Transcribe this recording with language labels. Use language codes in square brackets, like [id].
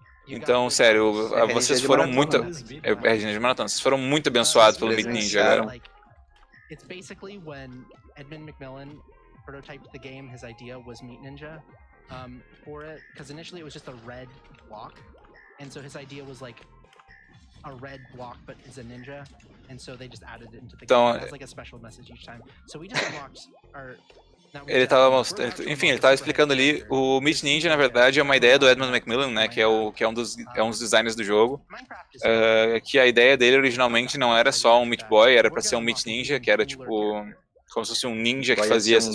[pt] Então, sério, vocês foram muito. É RNG de maratona, vocês foram muito abençoados pelo Meat Ninja. [en] It's basically when Edmund McMillan prototyped the game, his idea was Meat Ninja. For it, because initially it was just a red block. And so his idea was like a red block, but is a ninja. And so they just added it into the game. It's like a special message each time. So we just unlocked our. [pt] Ele tava mostrando, enfim, ele tava explicando ali, o Meat Ninja, na verdade, é uma ideia do Edmund McMillan, né, que é um dos designers do jogo, que a ideia dele originalmente não era só um Meat Boy, era pra ser um Meat Ninja, que era tipo, como se fosse um ninja que fazia essas...